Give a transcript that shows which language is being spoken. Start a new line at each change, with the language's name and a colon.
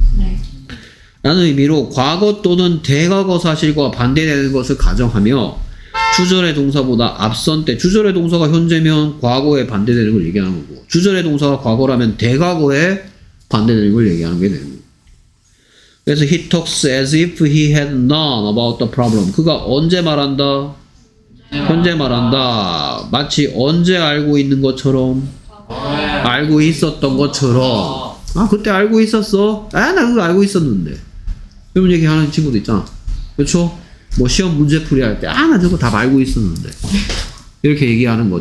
Korean: 네. 라는 의미로 과거 또는 대과거 사실과 반대되는 것을 가정하며 주절의 동사보다 앞선 때, 주절의 동사가 현재면 과거에 반대되는 걸 얘기하는 거고, 주절의 동사가 과거라면 대과거에 반대되는 걸 얘기하는 게 되는 거고. 그래서
English: he talks as if he had none about the problem.
Korean: 그가 언제 말한다? 현재 말한다. 마치 언제 알고 있는 것처럼, 알고 있었던 것처럼. 아, 그때 알고 있었어? 아, 나 그거 알고 있었는데. 이런 얘기 하는 친구도 있잖아. 그쵸? 뭐 시험 문제풀이 할 때, 아, 나 저거 다 알고 있었는데. 이렇게 얘기하는 거.